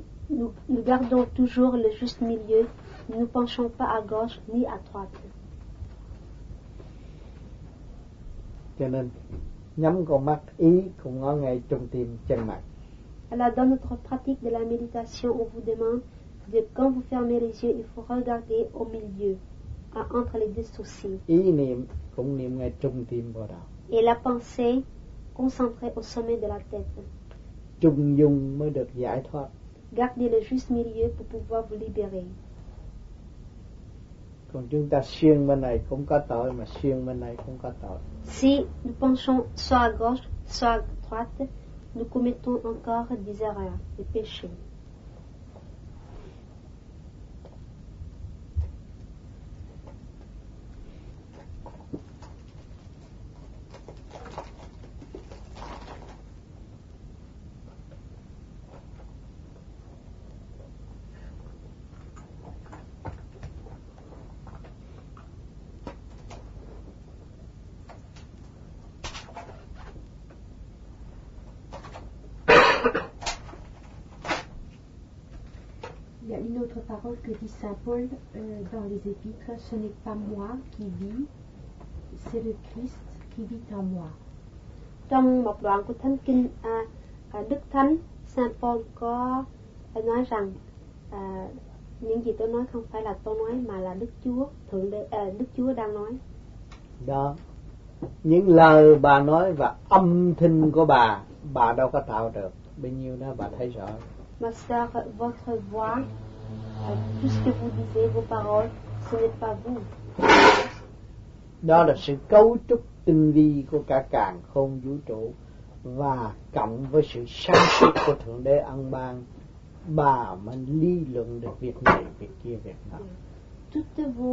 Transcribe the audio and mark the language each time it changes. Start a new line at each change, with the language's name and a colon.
French: Nous gardons toujours le juste milieu, nous penchons pas à gauche ni à droite.
Vietnamese: Cho nên, nhắm con mắt ý cũng ngó ngay trung tim chân mặt.
French: Alors dans notre pratique de la méditation, on vous demande de quand vous fermez les yeux, il faut regarder au milieu, à entre les deux sourcils.
Vietnamese: Ý niệm cũng niệm ngay trung tim bộ đầu.
French: Et la pensée concentrée au sommet de la tête.
Vietnamese: Trung dung mới được giải thoát.
French: Gardez le juste milieu pour pouvoir vous libérer.
Vietnamese: Còn chúng ta xuyên bên này cũng có tội mà xuyên bên này cũng có tội.
French: Si nous penchons soit à gauche soit à droite, nous commettons encore des erreurs, des péchés. Parole que dit saint Paul dans les épîtres, ce n'est pas moi qui vis, c'est le Christ qui vit en moi.
Vietnamese: Trong một đoạn của thánh kinh, Đức Thánh saint Paul có nói rằng những gì tôi nói không phải là tôi nói mà là Đức Chúa thượng đế, Đức Chúa đang nói. Đó, những lời bà nói và âm thanh của bà đâu có tạo được. Bao nhiêu đó bà thấy rõ.
French: Ma sœur, votre voix. Tout ce que vous disiez, vos paroles, ce n'est pas vous.
Vietnamese: Đó là sự cấu trúc tinh vi của cả càn khôn vũ trụ và cộng với sự sáng suốt của thượng đế ân ban, bà mới lý luận được việc này, việc kia, việc nọ.